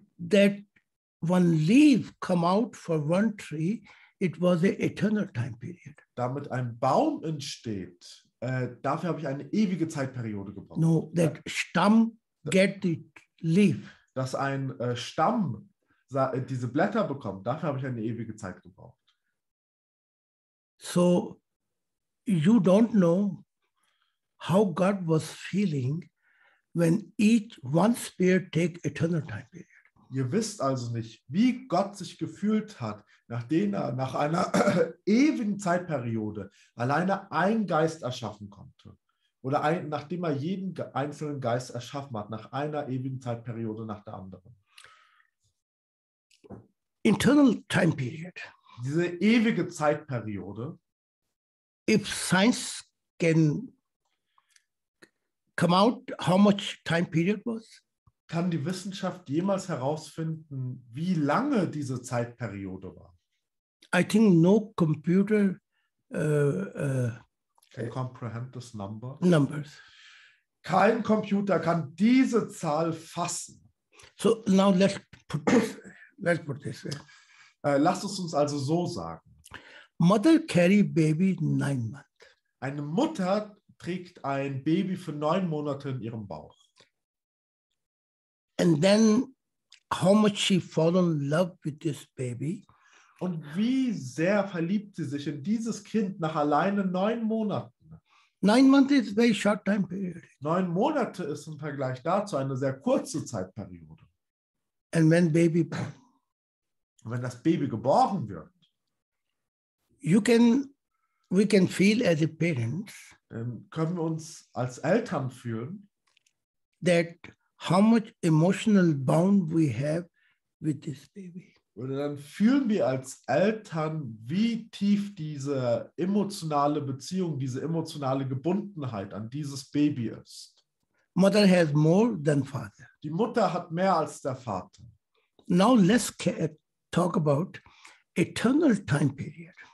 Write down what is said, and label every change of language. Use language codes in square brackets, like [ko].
[en] That one leaf come out for one tree, it was an eternal time period. [de] Damit ein Baum entsteht, dafür habe ich eine ewige Zeitperiode gebraucht. [en] No, that Stamm get the leaf. [de] Dass ein Stamm diese Blätter bekommt, dafür habe ich eine ewige Zeit gebraucht. [en] So, you don't know how God was feeling when each one spirit take eternal time period. [de] Ihr wisst also nicht, wie Gott sich gefühlt hat, nachdem er nach einer ewigen Zeitperiode alleine einen Geist erschaffen konnte. Oder nachdem er jeden einzelnen Geist erschaffen hat, nach einer ewigen Zeitperiode nach der anderen. [en] Internal time period. [de] Diese ewige Zeitperiode. [en] If science can come out, how much time period was? [de] Kann die Wissenschaft jemals herausfinden, wie lange diese Zeitperiode war? [en] I think no computer can comprehend this number. Numbers. [de] Kein Computer kann diese Zahl fassen. [en] So now let's put this. [de] Lasst es uns also so sagen. [en] Mother carry baby 9 months. [de] Eine Mutter trägt ein Baby für 9 Monate in ihrem Bauch. [en] And then how much she fall in love with this baby. [de] Und wie sehr verliebt sie sich in dieses Kind nach alleine 9 Monaten. [en] 9 months is a very short time period. [de] 9 Monate ist im Vergleich dazu eine sehr kurze Zeitperiode. [en] And when baby born. [de] Wenn das Baby geboren wird. [en] We can feel as a parent. [de] Dann können wir uns als Eltern fühlen. [en] That how much emotional bond we have with this baby. [de] Oder dann fühlen wir als Eltern, wie tief diese emotionale Beziehung, diese emotionale Gebundenheit an dieses Baby ist. [en] Mother has more than father. [de] Die Mutter hat mehr als der Vater. [en] Now let's talk about eternal time period.